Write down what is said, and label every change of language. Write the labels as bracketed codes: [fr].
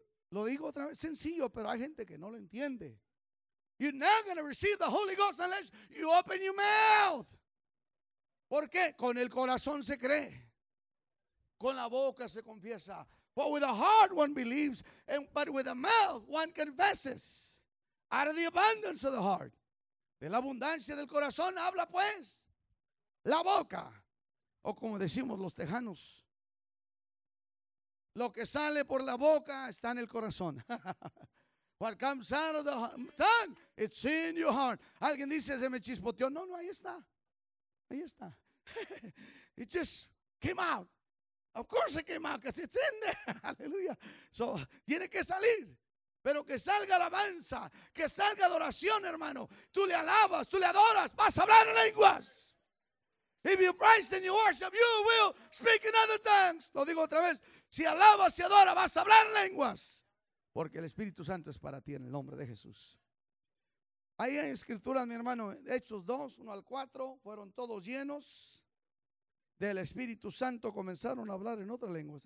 [es] Lo digo otra vez, sencillo, pero hay gente que no lo entiende. [en] You're not gonna receive the Holy Ghost unless you open your mouth. [es] ¿Por qué? Con el corazón se cree, con la boca se confiesa. [en] But with a heart one believes, but with a mouth one confesses. Out of the abundance of the heart. [es] De la abundancia del corazón habla pues la boca. O como decimos los tejanos, lo que sale por la boca está en el corazón. [en] What comes out of the tongue, it's in your heart. [es] Alguien dice, se me chispoteó. No, ahí está. Ahí está. [en] It just came out. Of course it came out, because it's in there. [es] Hallelujah. So, tiene que salir. Pero que salga alabanza. Que salga adoración, hermano. Tú le alabas, tú le adoras. Vas a hablar en lenguas. [en] If you praise and you worship, you will speak in other tongues. [es] Lo digo otra vez. Si alabas, si adoras, vas a hablar en lenguas. Porque el Espíritu Santo es para ti en el nombre de Jesús. Ahí hay escritura, mi hermano. Hechos 2, 1 al 4. Fueron todos llenos del Espíritu Santo, comenzaron a hablar en otras lenguas.